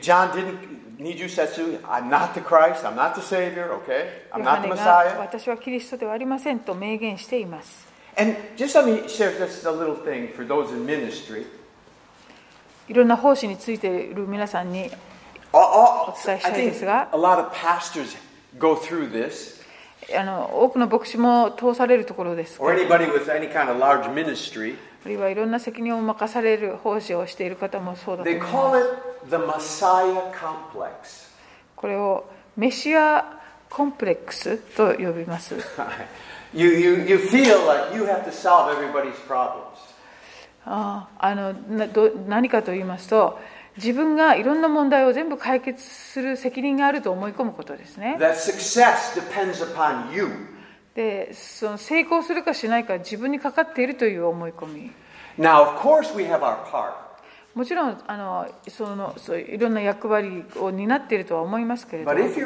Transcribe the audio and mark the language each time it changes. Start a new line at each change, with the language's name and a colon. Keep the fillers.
English: John didn't 20節、I'm not the Christ, I'm not the Savior, okay? I'm not the Messiah.
Japanese: 私はキリストではありませんと明言しています。
English: And just let me share just a little thing for those in ministry.
Japanese: いろんな奉仕についている皆さんにお伝えしたいですが、あ、oh, oh, あ、あ
English: go through this.
Japanese: あの多くの牧師も通されるところです。
English: Or anybody with any kind of large ministry.
Japanese: あるいはいろんな責任を任される奉仕をしている方もそうだと思います。
English: They call it the Messiah complex.
Japanese: これをメシアコンプレックスと呼びます。はい。
English: you, you, you feel like you have to solve everybody's problems.
Japanese: ああのなど何かと言いますと、自分がいろんな問題を全部解決する責任があると思い込むことですね。
English: That success depends upon you.
Japanese: で、その成功するかしないか、自分にかかっているという思い込み。
English: Now, of course, we have our part.
Japanese: もちろんあのそのそういろんな役割を担っているとは思いますけれども